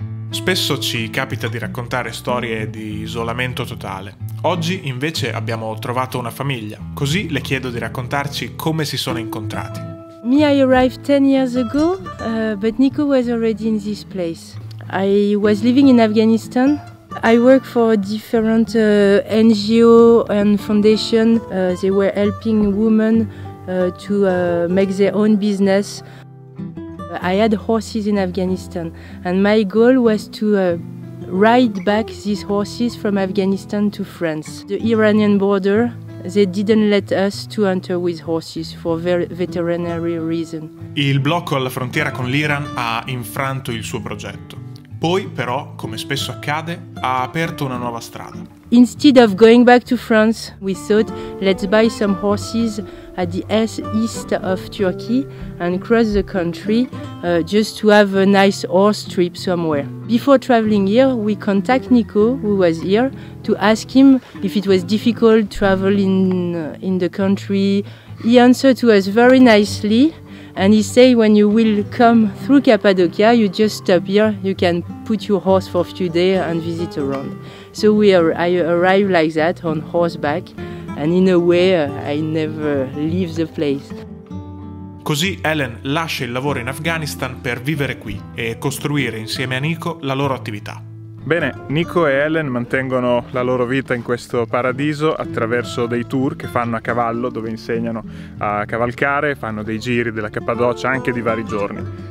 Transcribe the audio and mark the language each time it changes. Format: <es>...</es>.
<it>Spesso ci capita di raccontare storie di isolamento totale. Oggi invece abbiamo trovato una famiglia, così le chiedo di raccontarci come si sono incontrati.</it> <en>Me, I arrived 10 years ago, but Nico was already in this place. I was living in Afghanistan. I work for different NGO and foundation. They were helping women to make their own business. I had horses in Afghanistan, and my goal was to ride back these horses from Afghanistan to France. The Iranian border, they didn't let us to enter with horses for veterinary reason.</en> <it>Il blocco alla frontiera con l'Iran ha infranto il suo progetto. Poi, però, come spesso accade, ha aperto una nuova strada.</it> <en>Instead of going back to France, we thought, let's buy some horses at the east of Turkey and cross the country just to have a nice horse trip somewhere. Before traveling here, we contact Nico, who was here, to ask him if it was difficult travel in the country. He answered to us very nicely. And he say when you will come through Cappadocia, you just stop here, you can put your horse for a few days and visit around. So I arrived like that on horseback, and in a way I never leave the place.</en> <it>Così Helen lascia il lavoro in Afghanistan per vivere qui e costruire insieme a Nico la loro attività. Bene, Nico e Ellen mantengono la loro vita in questo paradiso attraverso dei tour che fanno a cavallo, dove insegnano a cavalcare, fanno dei giri della Cappadocia anche di vari giorni.</it>